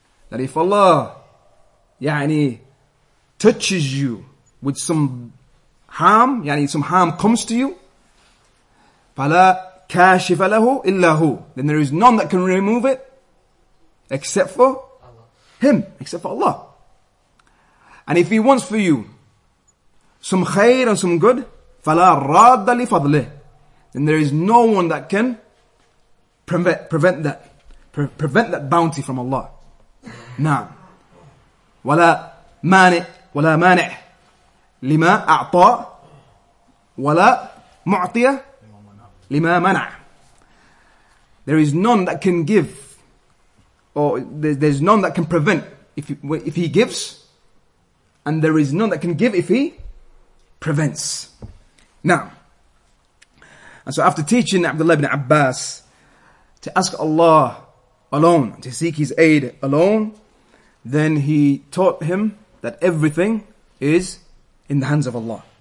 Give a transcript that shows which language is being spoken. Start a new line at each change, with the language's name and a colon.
English: That if Allah touches you with some harm, some harm comes to you,
Arabic: فَلَا كَاشِفَ لَهُ إِلَّا هُ,
English: then there is none that can remove it except for Him, except for Allah. And if He wants for you some khair and some good,
Arabic: فَلَا رَادَّ لِفَضْلِهِ,
English: then there is no one that can prevent that bounty from Allah.
Arabic: نعم ولا مانع لما أعطى ولا معطية لما منع.
English: There is none that can give, or there's none that can prevent if he gives, and there is none that can give if he prevents.
Arabic: نعم.
English: And so after teaching Abdullah ibn Abbas to ask Allah alone, to seek His aid alone, then he taught him that everything is in the hands of Allah.